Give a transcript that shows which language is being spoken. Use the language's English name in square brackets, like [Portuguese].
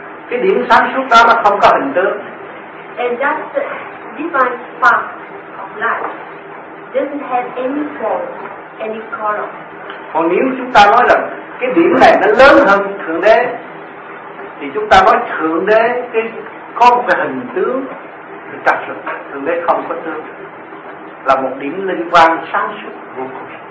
[Vietnamese] Cái điểm sáng suốt đó nó không có hình tướng. [English] And that divine spark of light doesn't have any form, any color. [Vietnamese] Còn nếu chúng ta nói rằng cái điểm này nó lớn hơn Thượng Đế, thì chúng ta nói Thượng Đế cái có một cái hình tướng thì chắc rồi, Thượng Đế không có tướng, là một điểm linh quang sáng suốt vô cùng.